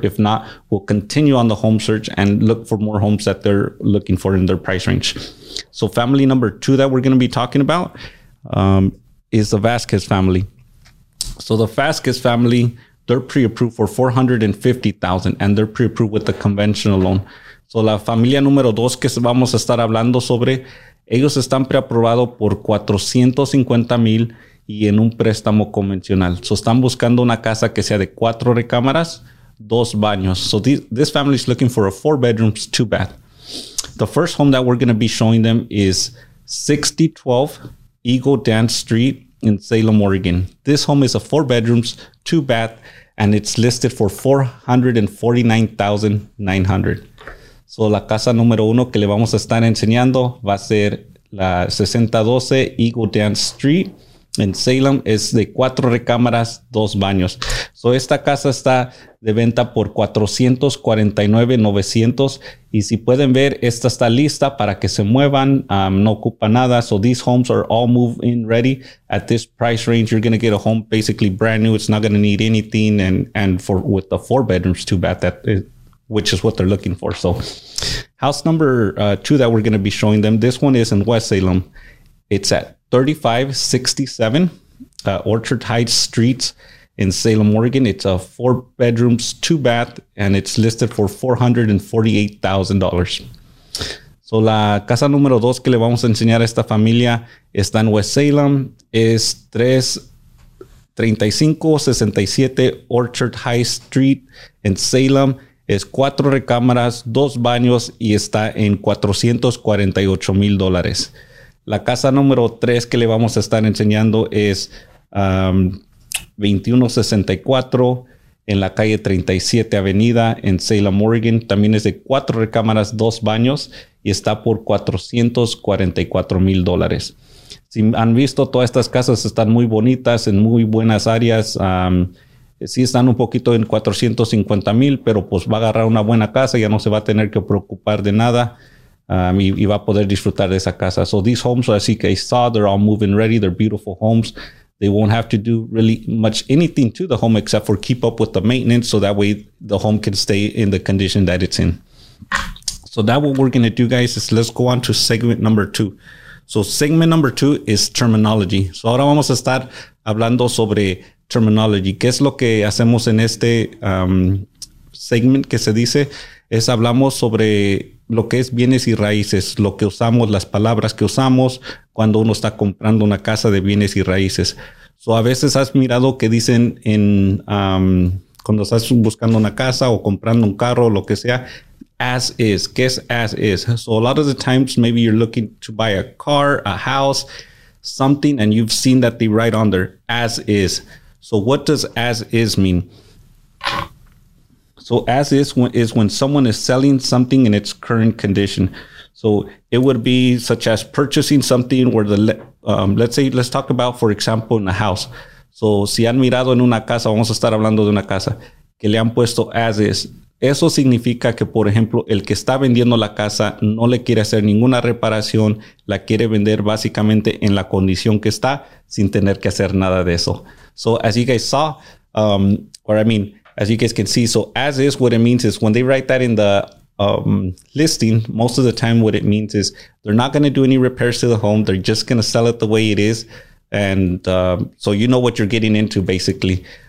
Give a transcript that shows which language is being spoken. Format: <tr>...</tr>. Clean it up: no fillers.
<en>If not, we'll continue on the home search and look for more homes that they're looking for in their price range. So family number two that we're going to be talking about is the Vasquez family. So the Vasquez family, they're pre-approved for $450,000 and they're pre-approved with a conventional loan.</en> <es>So la familia número dos que vamos a estar hablando sobre, ellos están preaprobados por 450,000 y en un préstamo convencional. So están buscando una casa que sea de cuatro recámaras, dos baños.</es> <en>So this family is looking for a four bedrooms, two bath. The first home that we're going to be showing them is 6012 Eagle Dance Street in Salem, Oregon. This home is a four bedrooms, two bath, and it's listed for $449,900.</en> <es>So la casa número uno que le vamos a estar enseñando va a ser la 6012 Eagle Dance Street in Salem. Es de cuatro recámaras, dos baños. So esta casa está de venta por $449,900. Y si pueden ver, esta está lista para que se muevan. No ocupa nada.</es> <en>So these homes are all move-in ready. At this price range, you're going to get a home basically brand new. It's not going to need anything. And for with the four bedrooms, too bad, that is, which is what they're looking for. So house number two that we're going to be showing them, this one is in West Salem. It's at 3567 Orchard Heights Streets. in Salem, Oregon. It's a 4 bedrooms, 2 bath, and it's listed for $448,000.</en> <es>So la casa número dos que le vamos a enseñar a esta familia está en West Salem. Es 3567 Orchard High Street en Salem. Es 4 recámaras, 2 baños y está en $448,000. La casa número 3 que le vamos a estar enseñando es 2164 en la calle 37 Avenida en Salem, Oregon. También es de 4 recámaras, 2 baños y está por $444,000. Si han visto, todas estas casas están muy bonitas, en muy buenas áreas. Sí están un poquito en $450,000, pero pues va a agarrar una buena casa, ya no se va a tener que preocupar de nada. Y va a poder disfrutar de esa casa.</es> <en>So these homes, as you guys saw, they're all move-in ready. They're beautiful homes. They won't have to do really much anything to the home except for keep up with the maintenance, so that way the home can stay in the condition that it's in. So that what we're going to do, guys, is let's go on to segment number 2. So segment number 2 is terminology.</en> <es>So ahora vamos a estar hablando sobre terminology. ¿Qué es lo que hacemos en este segment que se dice? Es hablamos sobre lo que es bienes y raíces, lo que usamos, las palabras que usamos cuando uno está comprando una casa de bienes y raíces. So, a veces has mirado que dicen en cuando estás buscando una casa o comprando un carro o lo que sea, as is. ¿Qué es as is?</es> <en>So a lot of the times maybe you're looking to buy a car, a house, something, and you've seen that they write on there as is. So what does as is mean? So as is when someone is selling something in its current condition. So it would be such as purchasing something where the, let's talk about, for example, in a house.</en> <es>So si han mirado en una casa, vamos a estar hablando de una casa, que le han puesto as is. Eso significa que, por ejemplo, el que está vendiendo la casa no le quiere hacer ninguna reparación, la quiere vender básicamente en la condición que está sin tener que hacer nada de eso.</es> <en>So as you guys saw, as you guys can see, so as is, what it means is when they write that in the listing, most of the time what it means is they're not going to do any repairs to the home. They're just going to sell it the way it is. And so you know what you're getting into, basically.</en>